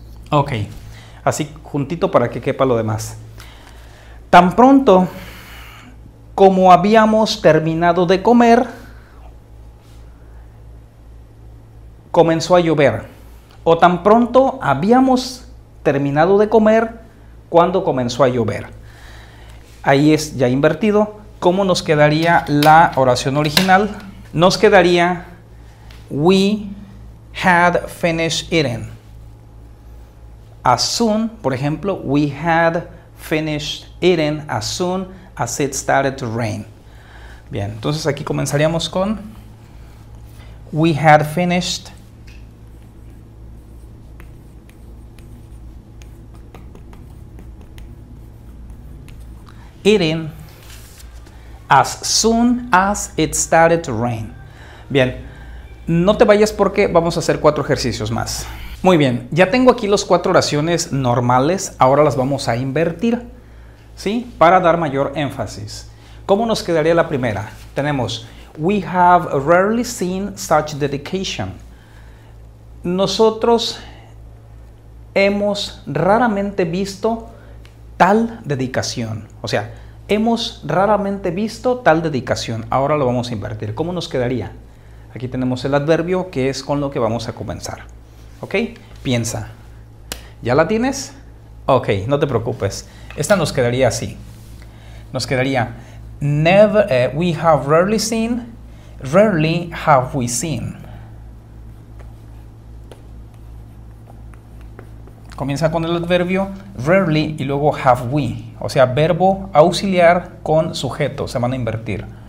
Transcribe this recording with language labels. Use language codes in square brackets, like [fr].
[es] Ok, así juntito para que quepa lo demás. Tan pronto como habíamos terminado de comer, comenzó a llover. O tan pronto habíamos terminado de comer, cuando comenzó a llover. Ahí es ya invertido. ¿Cómo nos quedaría la oración original? Nos quedaría, [en] we had finished eating. As soon, [es] por ejemplo, [en] we had finished eating as soon as it started to rain. [es] Bien, entonces aquí comenzaríamos con [en] we had finished eating as soon as it started to rain. [es] Bien, no te vayas porque vamos a hacer cuatro ejercicios más. Muy bien, ya tengo aquí las cuatro oraciones normales, ahora las vamos a invertir, ¿sí? Para dar mayor énfasis. ¿Cómo nos quedaría la primera? Tenemos, [en] we have rarely seen such dedication. [es] Nosotros hemos raramente visto tal dedicación. O sea, Hemos raramente visto tal dedicación. Ahora lo vamos a invertir. ¿Cómo nos quedaría? Aquí tenemos el adverbio, que es con lo que vamos a comenzar. ¿Ok? Piensa. ¿Ya la tienes? Ok, no te preocupes. Esta nos quedaría así. Nos quedaría, [en] we have rarely seen, rarely have we seen. [es] Comienza con el adverbio rarely y luego [en] have we. [es] O sea, verbo auxiliar con sujeto. Se van a invertir.